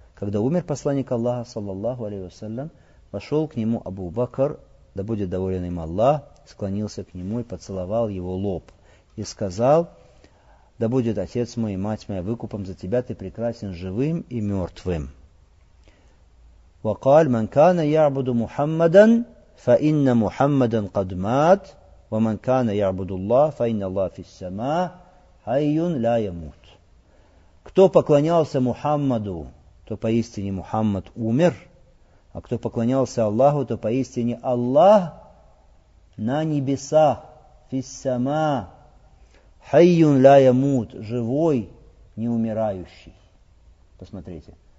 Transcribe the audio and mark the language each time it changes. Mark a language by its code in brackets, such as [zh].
[ru] Когда умер посланник Аллаха, саллаллаху алейхи вассалям, вошел к нему Абу Бакр, да будет доволен им Аллах, склонился к нему и поцеловал его лоб. И сказал, да будет отец мой и мать моя выкупом за тебя, ты прекрасен живым и мертвым. [ar] وقال من كان يعبد محمدا فإن محمدا قد مات ومن كان يعبد الله فإن الله في السماء حي لا يموت. [ru] Кто поклонялся Мухаммаду, то поистине Мухаммад умер. А кто поклонялся Аллаху, то поистине Аллах на небесах, [ar] фиссама, хайюн ля ямут, [ru] живой, не умирающий. Посмотрите.